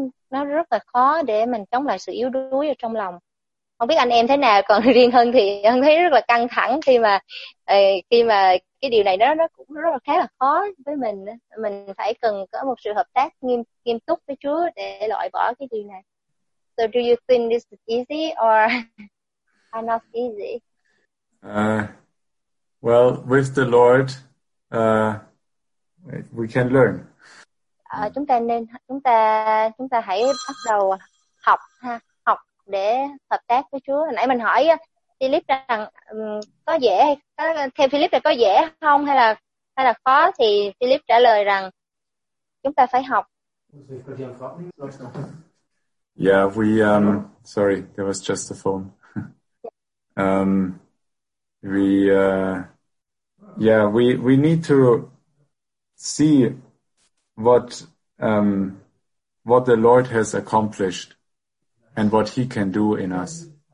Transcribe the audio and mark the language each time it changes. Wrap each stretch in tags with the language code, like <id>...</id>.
<vi>Nó rất là khó để mình chống lại sự yếu đuối ở trong lòng. Không biết anh em thế nào, còn riêng hơn thì em thấy rất là căng thẳng khi mà cái điều này nó cũng rất là khá là khó với mình. Mình phải cần có một sự hợp tác nghiêm túc với Chúa để loại bỏ cái điều này.</vi> <en>So do you think this is easy or not easy? Well, with the Lord, we can learn.</en> <vi>Chúng ta hãy bắt đầu học ha, học để hợp tác với Chúa. Nãy mình hỏi Philip rằng có dễ, theo Philip là có dễ không hay là khó, thì Philip trả lời rằng chúng ta phải học.</vi> <en>Yeah, we sorry, there was just a phone. we need to see what the Lord has accomplished and what he can do in us.</en>